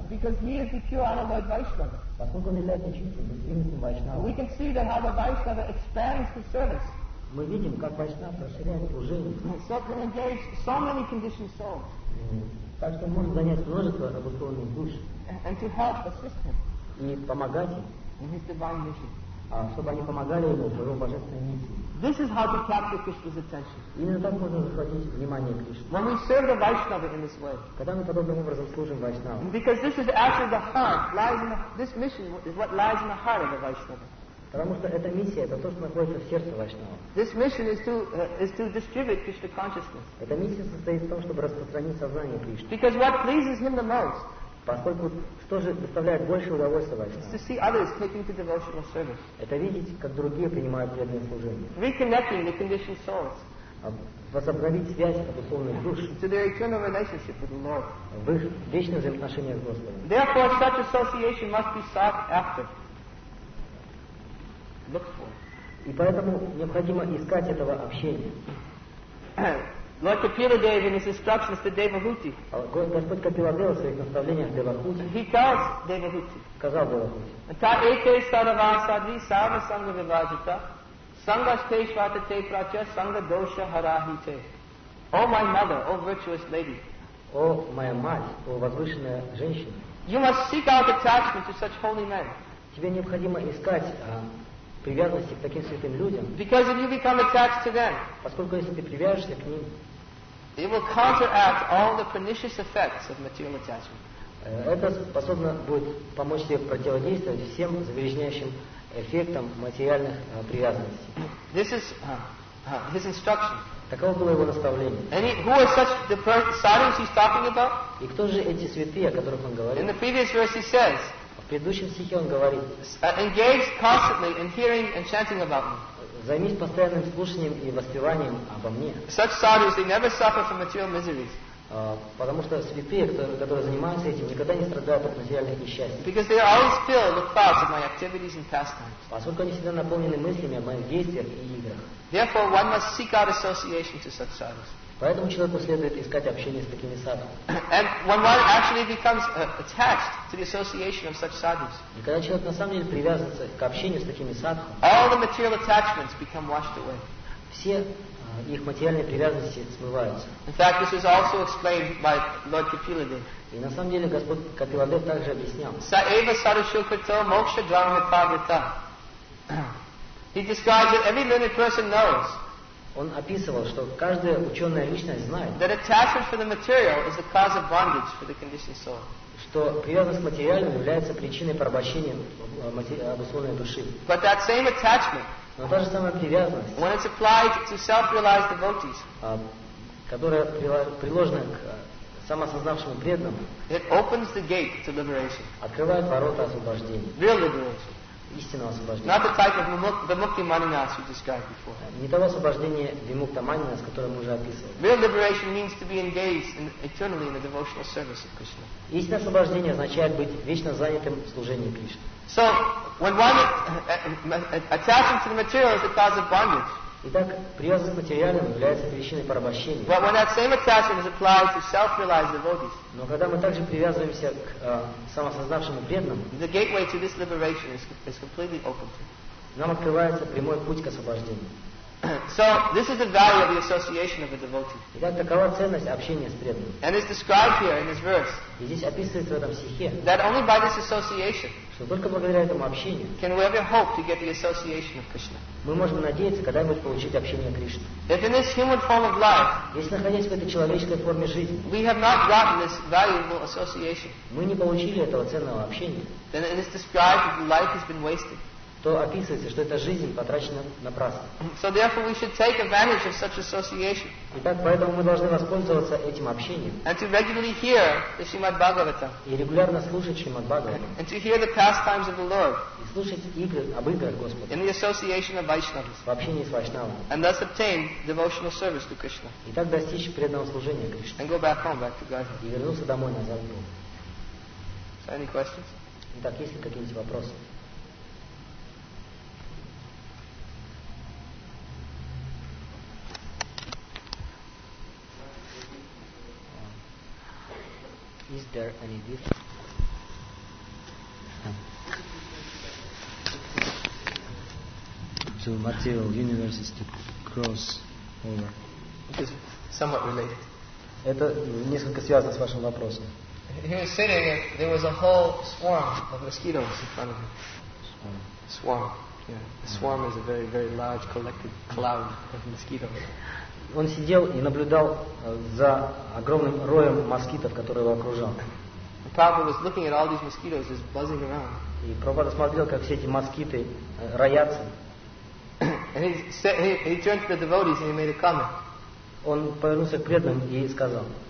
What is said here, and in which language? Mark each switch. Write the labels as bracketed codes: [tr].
[en] Because he is the pure unalloyed Vaishnava. [ru] Поскольку он является чистым Вайшнава. [en] We can see that how the Vaishnava expands the service. [ru] Мы видим, как Вайшнава расширяет служение. [en] So can engage so many conditioned souls. [ru] Так что можно занять множество обусловленных душ. [en] And to help assist him. [ru] И помогать им. [en] In his divine mission. [ru] Чтобы они помогали ему в его божественной миссии. [en] This is how to capture Krishna's attention. [ru] Именно так можно захватить внимание Кришны. [en] When we serve the Vaishnava in this way. [ru] Когда мы подобным образом служим Вайшнаву. [en] Because this is actually the heart lies in this mission is what lies in the heart of the Vaishnava. [ru] Потому что эта миссия это то, что находится в сердце Вайшнава. [en] This mission is to distribute Krishna consciousness. [ru] Эта миссия состоит в том, чтобы распространить сознание Кришны. [en] Because what pleases him the most. [ru] Поскольку что же доставляет больше удовольствия Вайшнаву? Это видеть, как другие принимают преданное служение. Возобновить связь обусловленных душ. [en] To their eternal relationship with the Lord. [ru] В их вечное взаимоотношение с Господом. [en] Therefore, such association must be sought after. Look for. [ru] И поэтому необходимо искать этого общения. [en] Lord Kapila gave in his instructions to Devahuti. [ru] Господь Капила дал в своих наставлениях Девахути. [en] He tells Devahuti. [ru] Сказал Девахути. [sa] Таете саравасадви сава санга вивадита сангастешватате прача санга доша харахите. [en] О my mother, о virtuous lady. [ru] О моя мать, о возвышенная женщина. [en] You must seek out attachment to such holy men. [ru] Тебе необходимо искать привязанности к таким святым людям. [en] Because if you become attached to them, [ru] поскольку если ты привяжешься к ним, [en] it will counteract all the pernicious effects of material attachment. [ru] Это способно будет помочь тебе противодействовать всем загрязняющим эффектам материальных привязанностей. [en] This is his instruction. [ru] Таково было его наставление. [en] And who are such the persons he's talking about? [ru] И кто же эти святые, о которых он говорит? [en] In the previous verse he says. [ru] В предыдущем стихе он говорит. [en] Engage constantly in hearing and chanting about me. [ru] Займись постоянным слушанием и воспеванием обо мне. [en] Such sadhus, they never suffer from material miseries. [ru] Потому что святые, которые занимаются этим, никогда не страдают от материальных несчастий. [en] Because they are always filled with thoughts of my activities and pastimes. [ru] Поскольку они всегда наполнены мыслями о моих действиях и играх. [en] Therefore, one must seek out association to such sadhus. [ru] Поэтому человеку следует искать общение с такими садхами. И когда человек на самом деле привязывается к общению с такими садхами, [en] all the material attachments become washed away. [ru] Все их материальные привязанности смываются. [en] In fact, this is also explained by Lord Kapiladev. [ru] И на самом деле Господь Капиладев также объяснял. [sa] Саева Сарашукрито Мокша Джанга Пабрита. [en] He describes that every learned person knows. [ru] Он описывал, что каждая ученая личность знает, [en] that attachment for the material is the cause of bondage for the conditioned soul. [ru] Что привязанность к материальному является причиной порабощения обусловленной души. [en] But that same attachment, [ru] но та же самая привязанность, [en] when it's applied to self-realized devotees, [ru] которая приложена к самосознавшему преданному, [en] it opens the gate to liberation. [ru] Открывает ворота освобождения. [en] Real liberation. [ru] истинного освобождения. Не того освобождения Вимукта Манинас, которое мы уже описывали. Истинное освобождение означает быть вечно занятым в служении Кришне. [en] So, when one attaching to the material is the cause of bondage. [ru] Итак, привязанность к материальному является причиной порабощения. [en] But when that same attachment is applied to self-realized devotees, [ru] но когда мы также привязываемся к самосознавшему преданному, [en] the gateway to this liberation is completely open to. [ru] Нам открывается прямой путь к освобождению. [en] So, this is the value of the association of a devotee. [ru] Итак, такова ценность общения с преданным. [en] And it's described here in this verse. [ru] И здесь описывается в этом стихе. [en] That only by this association, [ru] что только благодаря этому общению, [en] can we ever hope to get the association of Krishna. [ru] Мы можем надеяться когда-нибудь получить общение Кришны. [en] If in this human form of life, [ru] если находясь в этой человеческой форме жизни, [en] we have not gotten this valuable association, [ru] мы не получили этого ценного общения, [en] then it is described that life has been wasted. [ru] То описывается, что эта жизнь потрачена напрасно. [en] So therefore we should take advantage of such association. [ru] Итак, поэтому мы должны воспользоваться этим общением. [en] And to regularly hear the Srimad Bhagavatam. [ru] И регулярно слушать Шримад Бхагаватам. [en] And to hear the pastimes of the Lord. [ru] И слушать игры об играх Господа. [en] In the association of Vaishnavas. [ru] В общении с Вайшнавами. [en] And thus obtain devotional service to Krishna. [ru] И так достичь преданного служения Кришне. [en] And go back home, back to Godhead. [ru] И вернуться домой назад в Бога. [en] So any questions? [ru] Итак, есть ли какие-нибудь вопросы? [en] Is there any difference to material universes to cross over? It is somewhat related. [ru] Это несколько связано с вашим вопросом. [en] He was sitting and there was a whole swarm of mosquitoes in front of him. Swarm. Swarm. Yeah. A swarm is a very, very large collected cloud of mosquitoes. [ru] Он сидел и наблюдал за огромным роем москитов, который его окружал. И Прабхупада смотрел, как все эти москиты роятся. Он повернулся к преданным и сказал.